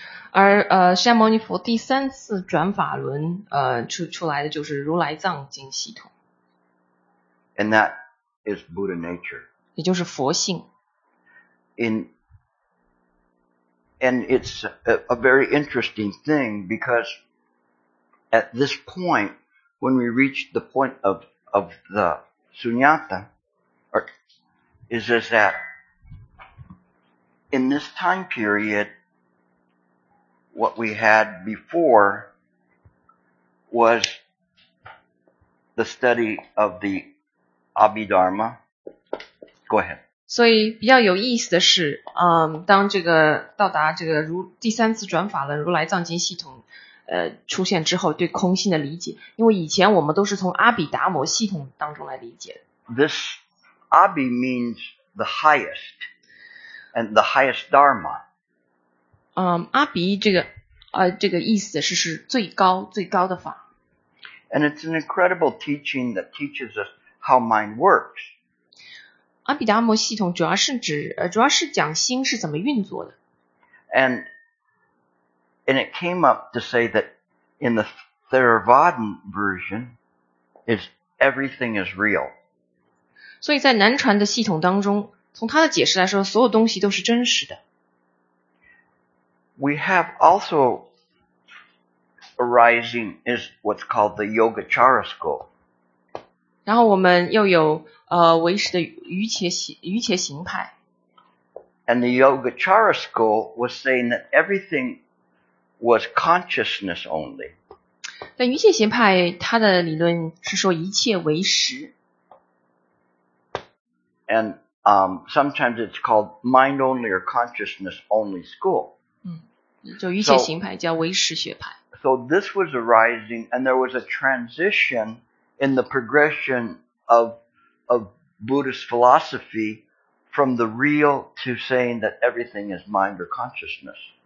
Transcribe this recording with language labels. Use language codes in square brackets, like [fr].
[zh] 而释迦牟尼佛第三次转法轮出来的就是如来藏经系统。 [en] And that is Buddha nature. [zh] 也就是佛性。 [en] And it's a very interesting thing because at this point, when we reach the point of the sunyata, is that in this time period, what we had before was the study of the Abhidharma. Go ahead. [zh] 所以比较有意思的是当这个到达这个第三次转法轮如来藏经系统出现之后对空性的理解，因为以前我们都是从阿比达摩系统当中来理解。 [en] This Abhi means the highest and the highest Dharma. [zh] 阿比这个意思是最高最高的法。 [en] And it's an incredible teaching that teaches us how mind works. [zh] 阿毗达摩系统主要是讲心是怎么运作的。 [en] And it came up to say that in the Theravadan version, is everything is real. [zh] 所以在南传的系统当中，从他的解释来说，所有东西都是真实的。 [en] We have also arising is what's called the Yogacara school. [zh] 然后我们又有唯识的瑜伽行派。 [en] And the Yogacara school was saying that everything was consciousness only. [zh] 但瑜伽行派它的理论是说一切为识。 [en] And sometimes it's called mind only or consciousness only school. [zh] 就瑜伽行派叫唯识学派。 [en] So this was arising and there was a transition. In the progression of Buddhist philosophy from the real to saying that everything is mind or consciousness.